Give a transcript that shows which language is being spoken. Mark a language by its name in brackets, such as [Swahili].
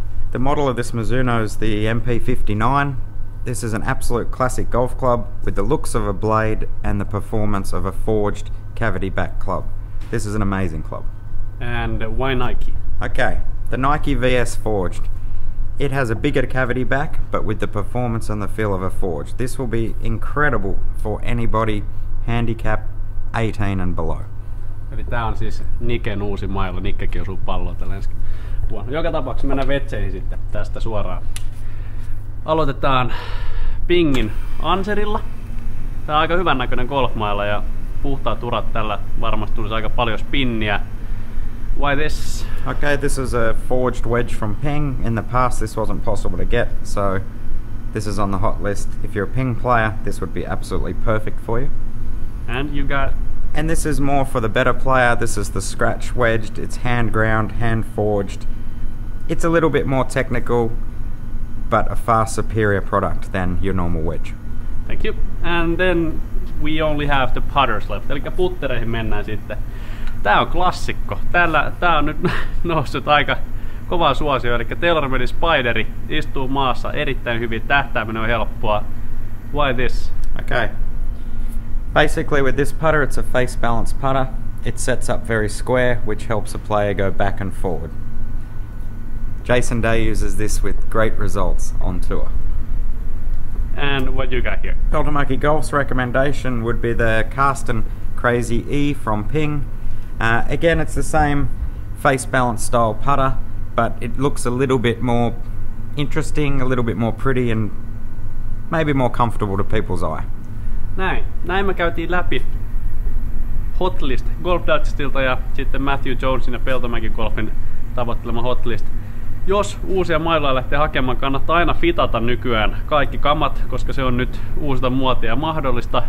[English] The model of this Mizuno is the MP59. This is an absolute classic golf club with the looks of a blade and the performance of a forged cavity back club. This is an amazing club. And why Nike? Okay, the Nike VS Forged. It has a bigger cavity back, but with the performance and the feel of a forged. This will be incredible for anybody handicap 18 and below. [Finnish] Eli tää on siis Niken uusi mailla. Nikkekin osuu palloa tällä ensi vuonna. Joka tapauksessa mennään vetseihin sitten tästä suoraan. Aloitetaan Pingin Anserilla. Tää on aika hyvän näköinen golfmailla ja puhtaat urat tällä varmasti tulisi aika paljon spinniä. [English] Why this? Okay, this is a forged wedge from Ping. In the past this wasn't possible to get, so this is on the hot list. If you're a Ping player, this would be absolutely perfect for you. And you got? And this is more for the better player. This is the scratch wedged. It's hand ground, hand forged. It's a little bit more technical, but a far superior product than your normal wedge. Thank you. And then we only have the putters left, [Finnish] elikkä puttereihin mennään sitten. Tää on klassikko. Tää on nyt noussut aika kovaa suosioon, elikkä TaylorMade Spideri istuu maassa erittäin hyvin, tähtääminen on helppoa. [English] Why this? Okay. Basically with this putter, it's a face balance putter. It sets up very square, which helps a player go back and forward. Jason Day uses this with great results on tour. And what you got here? Peltomäki Golf's recommendation would be the Karsten Crazy E from Ping. Again, it's the same face balance style putter, but it looks a little bit more interesting, a little bit more pretty, and maybe more comfortable to people's eye. [Finnish] Näin me käytiin läpi hotlist Golf Digestilta ja sitten Matthew Jonesin ja Peltomäki Golfin tavoittelema hotlist. jos uusia mailoja lähtee hakemaan, kannattaa aina fitata nykyään kaikki kamat, koska se on nyt uusita muotia mahdollista.